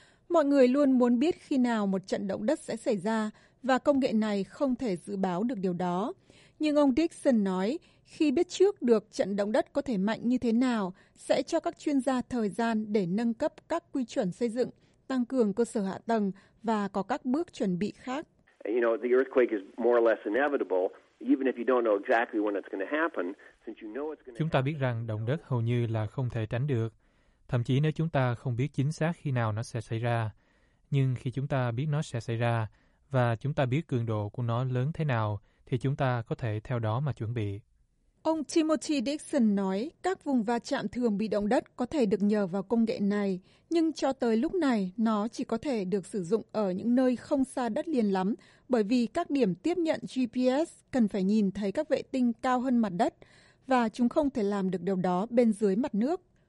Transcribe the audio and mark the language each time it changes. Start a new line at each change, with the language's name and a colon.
Vietnamese: Mọi người luôn muốn biết khi nào một trận động đất sẽ xảy ra và công nghệ này không thể dự báo được điều đó. Nhưng ông Dixon nói khi biết trước được trận động đất có thể mạnh như thế nào sẽ cho các chuyên gia thời gian để nâng cấp các quy chuẩn xây dựng, tăng cường cơ sở hạ tầng và có các bước chuẩn bị khác.
English: You know, the earthquake is more or less inevitable. Even if you don't know exactly when it's going to happen, since you know it's going to
Vietnamese: chúng ta biết rằng động đất hầu như là không thể tránh được, thậm chí nếu chúng ta không biết chính xác khi nào nó sẽ xảy ra. Nhưng khi chúng ta biết nó sẽ xảy ra và chúng ta biết cường độ của nó lớn thế nào thì chúng ta có thể theo đó mà chuẩn bị. Ông Timothy Dixon nói các vùng va chạm thường bị động đất có thể được nhờ vào công nghệ này, nhưng cho tới lúc này nó chỉ có thể được sử dụng ở những nơi không xa đất liền lắm bởi vì các điểm tiếp nhận GPS cần phải nhìn thấy các vệ tinh cao hơn mặt đất và chúng không thể làm được điều đó bên dưới mặt nước.